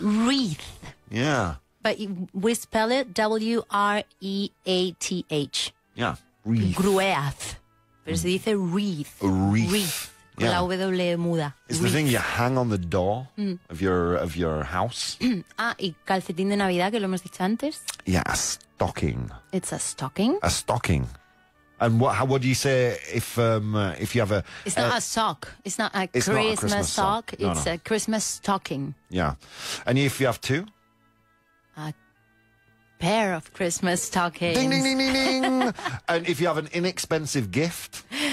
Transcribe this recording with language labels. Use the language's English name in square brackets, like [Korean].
[English] Wreath. Yeah. But we spell it W-R-E-A-T-H. Yeah, wreath. [Spanish] Gruath. Pero se dice wreath. [English] A wreath. Wreath. [Spanish] Yeah. La W muda. [English] It's the thing you hang on the door of your house. [Spanish] Ah, y calcetín de Navidad, que lo hemos dicho antes. [English] Yeah, a stocking. It's a stocking. A stocking. And what do you say if you have a... It's not a sock. It's not a Christmas sock. It's a Christmas stocking. Yeah. And if you have two? A pair of Christmas stockings. Ding, ding, ding, ding, ding. And if you have an inexpensive gift?